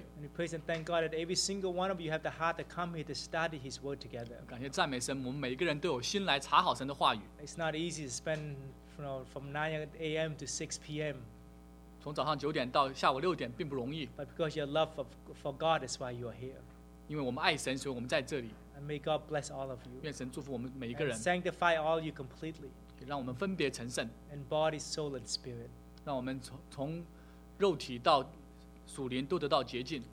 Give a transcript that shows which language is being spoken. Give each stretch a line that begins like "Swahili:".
English: And we praise and thank God that every single one of you have the heart to come here to study His word together.
Chinese: 感谢赞美神，我们每一个人都有心来查好神的话语。
English: It's not easy to spend from 9 a.m. to 6 p.m.
Chinese: 从早上九点到下午六点并不容易。
English: But because your love for God is why you are here.
Chinese: 因为我们爱神，所以我们在这里。
English: And may God bless all of you.
Chinese: 愿神祝福我们每一个人。
English: And sanctify all you completely.
Chinese: 让我们分别成圣
English: and body, soul, and spirit.
Chinese: 让我们 从肉体到属灵都得到洁净